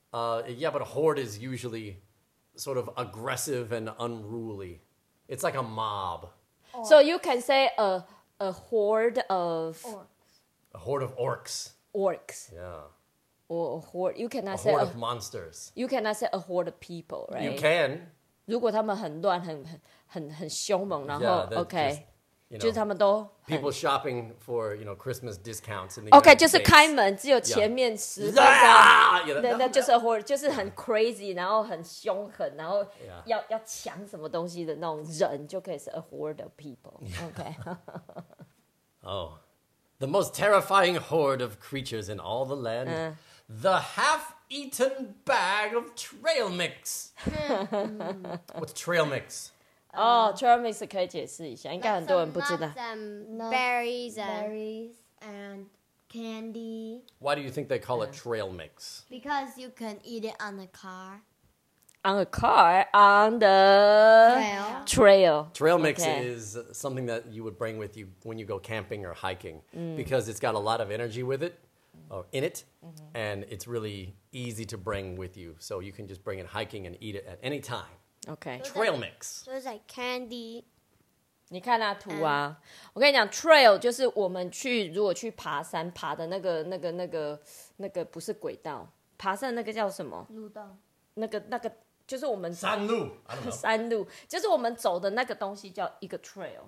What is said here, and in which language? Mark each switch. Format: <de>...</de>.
<en>yeah but a horde is usually sort of aggressive and unruly it's like a mob so you can say a horde of orcs a horde of orcs yeah or a horde you cannot a say horde a horde of monsters you cannot say a horde of people right you can</en> <zh>如果他们很乱很凶猛然后</zh> <en>yeah, okay You know,</en> <zh>就是他们都</zh> <en>people shopping for you know Christmas discounts in the</en> <zh>okay 就是开门只有前面十分钟，那就是 horde 就是很 crazy 然后很凶狠然后要抢什么东西的那种人就可以是</zh> <en>a horde of people okay oh the most terrifying horde of creatures in all the land the half-eaten bag of trail mix what's trail mix?</en> <zh>Trail mix 可以解释一下，应该很多人不知道。</zh> <en>Berries and candy. Why do you think they call it trail mix? Because you can eat it on the car. On a car? On the... Trail. Trail mix is something that you would bring with you when you go camping or hiking. Because it's got a lot of energy with it, or in it, and it's really easy to bring with you. So you can just bring it hiking and eat it at any time. Okay. Trail mix. So it's like candy.</en> <zh>你看那图啊，我跟你讲 ，trail 就是我们去如果去爬山爬的那个不是轨道，爬山那个叫什么？路道。那个就是我们山路。山路就是我们走的那个东西叫一个 trail。</zh>